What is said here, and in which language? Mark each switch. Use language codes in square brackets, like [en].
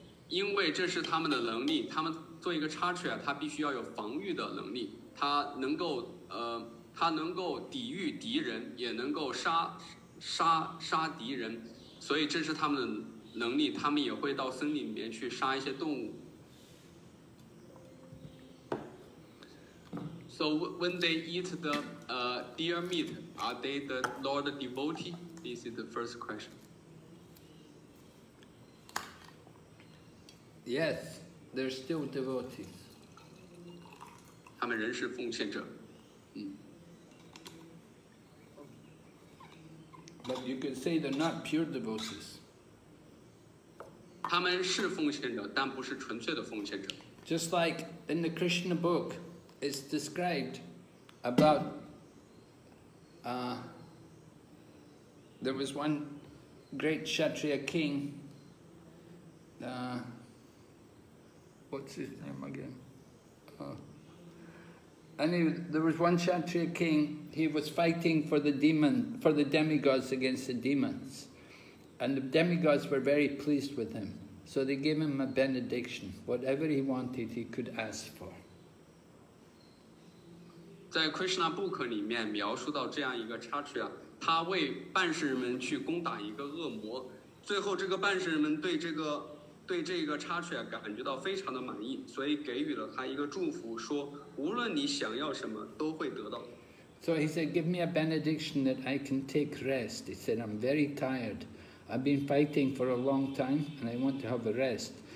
[zh] 因为这是他们的能力，他们做一个Kshatriya，他必须要有防御的能力，他能够抵御敌人，也能够杀敌人，所以这是他们的能力，他们也会到森林里面去杀一些动物。 [en] So when they eat the deer meat, are they the Lord devotee? This is the first question. Yes, they're still devotees. [zh] 他们仍是奉献者。 [en] But you can say they're not pure devotees. [zh] 他们是奉献者，但不是纯粹的奉献者。 [en] Just like in the Krishna book, it's described about there was one great Kshatriya king. What's his name again? There was one Kshatriya king. He was fighting for the demigods against the demons, and the demigods were very pleased with him. So they gave him a benediction. Whatever he wanted, he could ask for. [zh] 在 Krishna Book 里面描述到这样一个插曲啊，他为半世人们去攻打一个恶魔，最后这个半世人们对这个插曲啊感觉到非常的满意，所以给予了他一个祝福，说无论你想要什么都会得到。 [en] So he said, "Give me a benediction that I can take rest." He said, "I'm very tired. I've been fighting for a long time, and I want to have a rest.